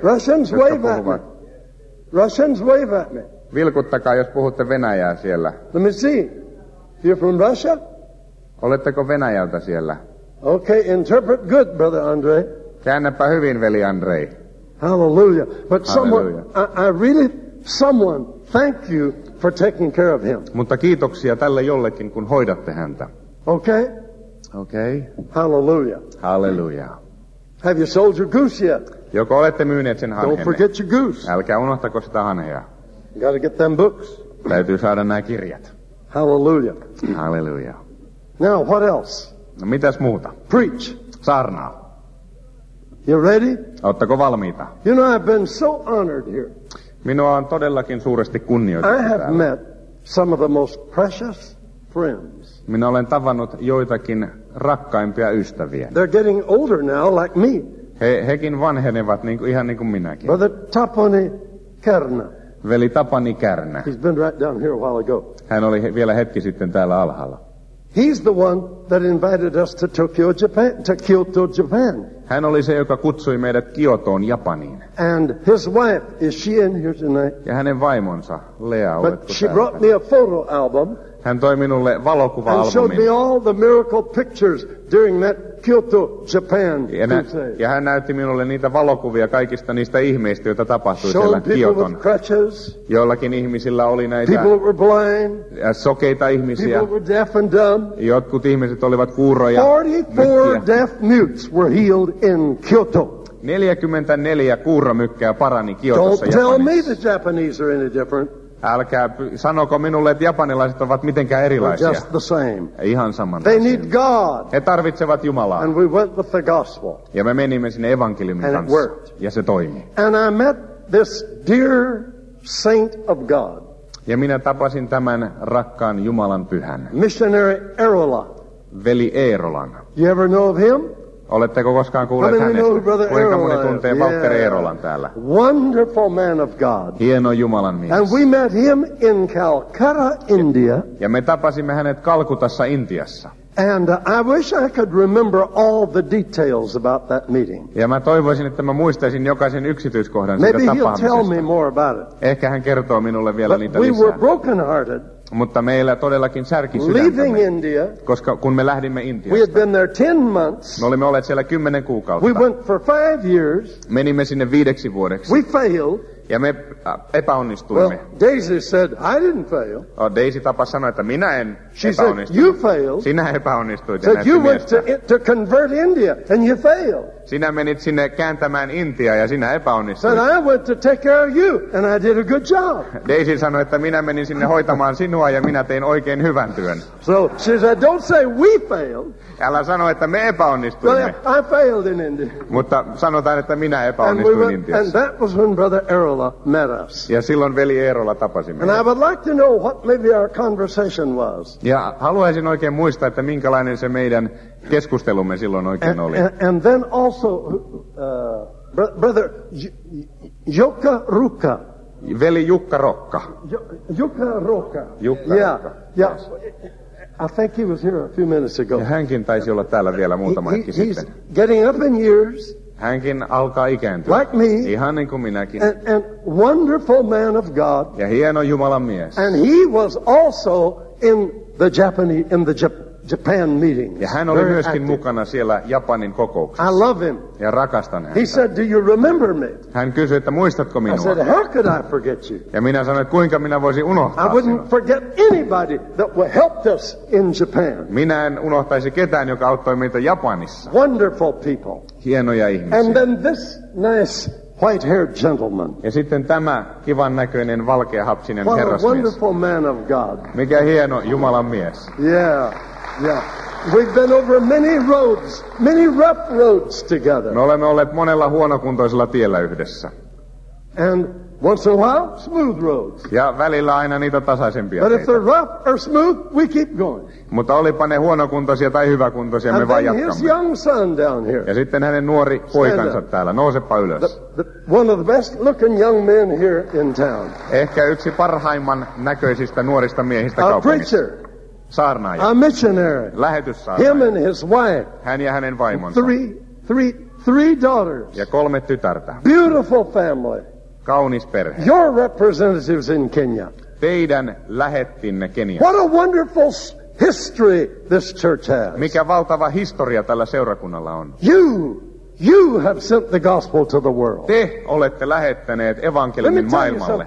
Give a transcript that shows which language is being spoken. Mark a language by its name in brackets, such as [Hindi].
[English] Russians, wave at me. Russians, wave at me. [Finnish] Vilkuttakaa, jos puhutte venäjää siellä. [English] Let me see. You're from Russia? [Finnish] Oletteko Venäjältä siellä? [English] Okay, interpret good, Brother Andre. [Finnish] Käännäpä hyvin, veli Andre. [English] Hallelujah. But Hallelujah. Someone, someone, thank you for taking care of him. [Finnish] Mutta kiitoksia tälle jollekin, kun hoidatte häntä. [English] Okay. Okay. Hallelujah. Hallelujah. Have you sold your goose yet? [Finnish] Joko olette myyneet sen hanhen? [English] Don't forget your goose. [Finnish] Älkää unohtako sitä hanhea. [English] Gotta get them books. [Finnish] Täytyy saada nämä kirjat. [English] Hallelujah. Hallelujah. Now, what else? [Finnish] No, mitäs muuta? [English] Preach. [Finnish] Saarnaa. [English] You ready? [Finnish] Oletteko valmiita? [English] You know, I've been so honored here. [Finnish] Minua on todellakin suuresti kunnioitettu [English] I have [Finnish] täällä. [English] Met some of the most precious friends. [Finnish] Minä olen tavannut joitakin rakkaimpia ystäviä. [English] They're getting older now, like me. [Finnish] Hekin vanhenevat niin kuin, ihan niin kuin minäkin. [English] Brother Tapani Kärnä. [Finnish] Veli Tapani Kärnä. [English] He's been right down here a while ago. [Finnish] Hän oli vielä hetki sitten täällä alhaalla. [English] He's the one that invited us to Tokyo, Japan, to Kyoto, Japan. [Finnish] Hän oli se, joka kutsui meidät Kyotoon, Japaniin. [English] And his wife, is she in here tonight? [Finnish] Ja hänen vaimonsa, Lea, oletko [English] But she brought me a photo album. [Finnish] Hän toi minulle valokuva-albumin. [English] And showed me all the miracle pictures during that Kyoto, Japan crusade. [Finnish] Ja hän näytti minulle niitä valokuvia kaikista niistä ihmeistä, joita tapahtui [English] showed [Finnish] siellä Kyoton. [English] People with crutches. [Finnish] Joillakin ihmisillä oli näitä [English] people were blind. [Finnish] Sokeita ihmisiä. [English] People were deaf and dumb. [Finnish] Jotkut ihmiset olivat kuuroja. [English] 44 deaf mutes were healed in Kyoto. [Finnish] 44 kuuromykkää parani Kyotossa, Japanissa. [English] Don't tell me the Japanese are any different. [Finnish] Älkää sanoko minulle, että japanilaiset ovat mitenkään erilaisia. [English] Just the same. [Finnish] Ihan samanlaisia. [English] They need God. [Finnish] He tarvitsevat Jumalaa. [English] And we went with the gospel. [Finnish] Ja me menimme sinne evankeliumin [English] and [Finnish] kanssa. [English] It worked. [Finnish] Ja se toimi. [English] And I met this dear saint of God. [Finnish] Ja minä tapasin tämän rakkaan Jumalan pyhän. [English] Missionary Eerola. [Finnish] Veli Eerolan. [English] You ever know of him? [Finnish] Oletteko koskaan kuulleet hänestä? Kuinka moni tuntee Walter Eerolan täällä? [English] Wonderful man of God. [Finnish] Hieno Jumalan mies. [English] And we met him in Calcutta, India. [Finnish] Ja me tapasimme hänet Kalkutassa, Intiassa. [English] And I wish I could remember all the details about that meeting. [Finnish] Ja mä toivoisin, että mä muistaisin jokaisen yksityiskohdan [English] Maybe [Finnish] siitä tapaamisesta. [English] Maybe he'll tell me more about it. [Finnish] Ehkä hän kertoo minulle vielä [English] But [Finnish] niitä [English] we [Finnish] lisää. [English] We were broken-hearted. [Finnish] Mutta meillä todellakin särki sydäntä, koska kun me lähdimme Intiasta, [English] we had been there 10 months, [Finnish] me olimme olleet siellä 10 kuukautta, [English] we went for 5 years, [Finnish] menimme sinne 5 vuodeksi, [English] we failed, [Finnish] ja me epäonnistuimme. [English] Well, Daisy said, I didn't fail. [Finnish] Oh, Daisy tapasi sanoa, että minä en [English] She [Finnish] epäonnistunut. [English] Said, you failed. [Finnish] Sinä epäonnistuit. [English] Said, you went to convert India, and you failed. [Finnish] Sinä menit sinne kääntämään Intiaa ja sinä epäonnistuit. [English] Said, I went to take care of you, and I did a good job. [Finnish] Daisy sanoi, että minä menin sinne hoitamaan sinua ja minä tein oikein hyvän työn. [English] So she said, don't say we failed. [Finnish] Älä sano, että me epäonnistuimme. [English] Well, I failed in India. [Finnish] Mutta sanotaan, että minä epäonnistuin [English] and we went, [Finnish] Intiassa. [English] And that was when Brother Eerola met us. [Finnish] Ja silloin veli Eerola tapasi meidät. [English] And I would like to know what maybe our conversation was. [Finnish] Ja haluaisin oikein muistaa, että minkälainen se meidän keskustelumme silloin oikein oli. [English] And then also, brother Jukka Rukka. [Finnish] Veli Jukka Rokka. Jukka Rokka. Jukka [English] yeah, Rokka. Yeah. Yes. I think he was here a few minutes ago. [Finnish] Ja hänkin taisi olla täällä vielä muutama hetki sitten. [English] He's getting up in years. [Finnish] Hänkin alkaa ikääntyä. [English] Like me. [Finnish] Ihan niin kuin minäkin. [English] And wonderful man of God. [Finnish] Ja hieno Jumalan mies. [English] And he was also in the Japanese, in the Japan. Japan meetings. [Finnish] Ja hän oli myöskin mukana siellä Japanin kokouksessa. [English] I love him. [Finnish] Ja rakastan häntä. [English] He said, "Do you remember me?" [Finnish] Hän kysyi, että muistatko minua? [English] I said, "How could I forget you?" [Finnish] Ja minä sanoin, että kuinka minä voisin unohtaa sinua? [English] I wouldn't forget anybody that helped us in Japan. [Finnish] Minä en unohtaisi ketään, joka auttoi meitä Japanissa. [English] Wonderful people. [Finnish] Hienoja ihmisiä. [English] And then this nice white-haired gentleman. [Finnish] Ja sitten tämä kivan näköinen valkeahapsinen herrasmies. [English] What a wonderful man of God. [Finnish] Mikä hieno Jumalan mies. [English] Yeah. Yeah. We've been over many roads, many rough roads together. [Finnish] Me olemme olleet monella huonokuntoisella tiellä yhdessä. [English] And once in a while, smooth roads. [Finnish] Ja välillä aina niitä tasaisempia. [English] But if they're rough or smooth, we keep going. [Finnish] Mutta olipa ne huonokuntoisia tai hyväkuntoisia, me vaan jatkamme. [English] His young son down here. [Finnish] Ja sitten hänen nuori poikansa täällä. Nousepa ylös. [English] One of the best looking young men here in town. [Finnish] Ehkä yksi parhaimman näköisistä nuorista miehistä kaupungissa. [English] A preacher. [Finnish] Saarnaaja. [English] A missionary. [Finnish] Lähetyssaarnaaja. [English] Him and his wife. [Finnish] Hän ja hänen vaimonsa. [English] Three daughters. [Finnish] Ja kolme tytärtä. [English] Beautiful family. [Finnish] Kaunis perhe. [English] Your representatives in Kenya. [Finnish] Teidän lähettinne Keniaan. [English] What a wonderful history this church has. [Finnish] Mikä valtava historia tällä seurakunnalla on. [English] You have sent the gospel to the world. [Finnish] Te olette lähettäneet evankeliumin maailmalle.